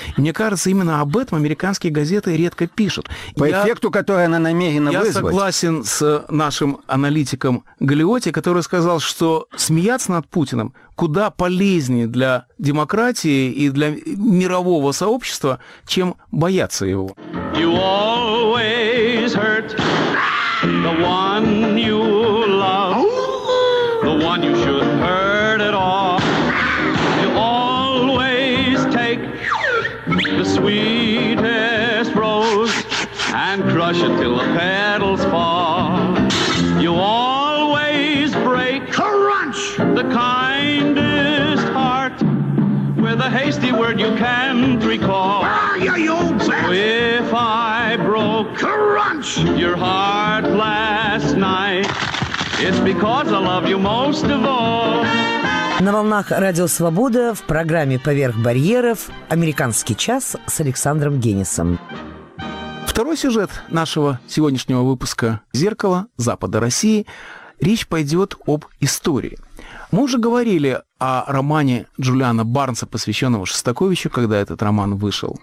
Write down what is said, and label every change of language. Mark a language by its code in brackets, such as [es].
[ru] И мне кажется, именно об этом американские газеты редко пишут. По эффекту, который она намерена вызвать. Я согласен с нашим аналитиком Галиотти, который сказал, что смеяться над Путиным куда полезнее для демократии и для мирового сообщества, чем бояться его. [en] You always hurt the one you love. The one you shouldn't hurt at all. You always take the sweetest rose and crush it till the petals fall. You always break crunch the kindest heart with a hasty word you can't recall. So if I broke crunch your heart last night, it's because I love you most of all. [ru] На волнах «Радио Свобода» в программе «Поверх барьеров» «Американский час» с Александром Генисом. Второй сюжет нашего сегодняшнего выпуска «Зеркало Запада России». Речь пойдет об истории. Мы уже говорили о романе Джулиана Барнса, посвященного Шостаковичу, когда этот роман вышел.